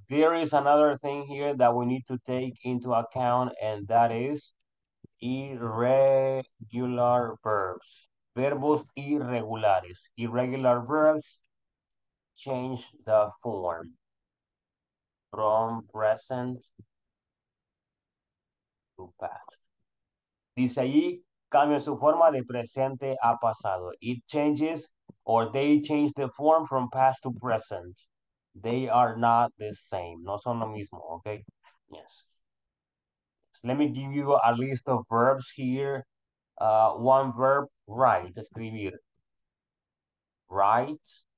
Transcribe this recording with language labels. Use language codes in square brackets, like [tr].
[en] There is another thing here that we need to take into account, and that is irregular verbs. [es] Verbos irregulares. [en] Irregular verbs change the form from present to past. [es] Dice allí, cambia su forma de presente a pasado. [en] It changes, or they change the form from past to present. They are not the same. [es] No son lo mismo, [en] okay? Yes. So let me give you a list of verbs here. One verb, write, escribir. Write.